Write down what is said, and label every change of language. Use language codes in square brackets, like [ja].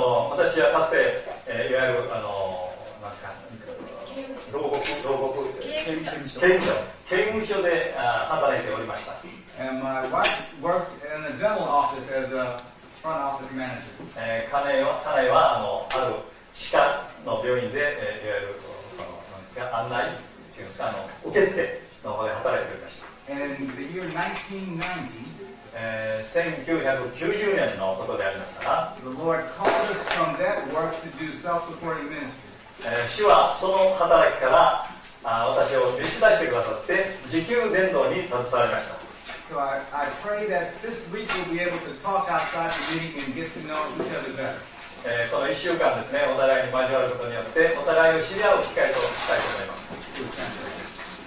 [ja] 私はかつて、いわゆる何ですか、牢獄刑務所で働いておりました。 [en] And my wife worked in the general office as a front office manager. [ja] 彼はある歯科の病院で、いわゆる案内というんですか、受付の方で働いておりました。 [en] And the year 1990? [ja] 1990年のことでありましたが、 [en] The Lord called us from that work to do self-supporting ministry. [ja] 主はその働きから私を召し出してくださって、自給伝道に携わりました。 [en] So I pray that this week we'll be able to talk outside the meeting and get to know each other better. [ja] この1週間ですね、お互いに交わることによって、お互いを知り合う機会としたいと思います。